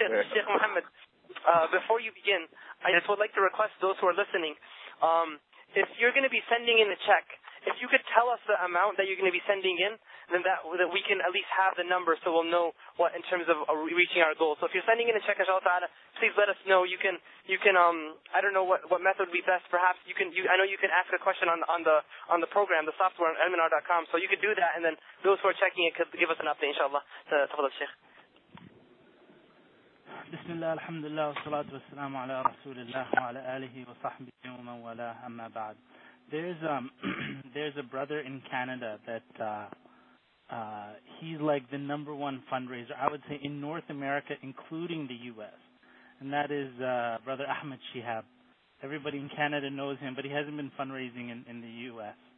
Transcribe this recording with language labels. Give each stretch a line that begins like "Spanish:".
English: Sheikh Mohammed, before you begin, I just would like to request those who are listening, if you're going to be sending in a check, if you could tell us the amount that you're going to be sending in, then that we can at least have the number so we'll know what in terms of reaching our goal. So if you're sending in a check, inshallah ta'ala, please let us know. You can I don't know what method would be best. Perhaps you can ask a question on the program, the software on elminar.com. So you could do that, and then those who are checking it could give us an update, inshallah. Tafadhal Sheikh.
Arabic: بسم الله الحمد لله والصلاة والسلام على رسول الله وعلى آله وصحبه ومن والاه أما بعد.
English: There's a brother in Canada that he's like the number one fundraiser, I would say, in North America, including the U.S. And that is Brother Ahmed Shihab. Everybody in Canada knows him, but he hasn't been fundraising in the U.S.